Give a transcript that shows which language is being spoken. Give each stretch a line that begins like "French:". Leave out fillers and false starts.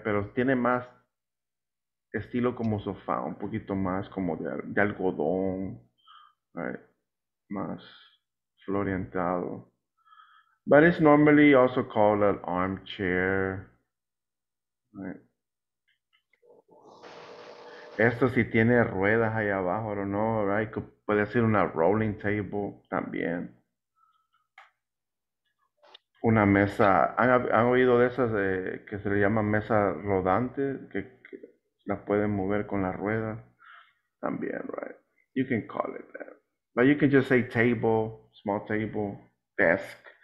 Spanish: Pero tiene más estilo como sofá, un poquito más como de algodón, right? Más florentado.
English: But it's normally also called an armchair, right?
Spanish: Esto si tiene ruedas ahí abajo,
English: I don't know, right?
Spanish: Puede ser una rolling table también. Una mesa, ¿han oído de esas de, que se le llama mesa rodante? Que la pueden mover con las ruedas también, right?
English: You can call it that. But you can just say table, small table, desk.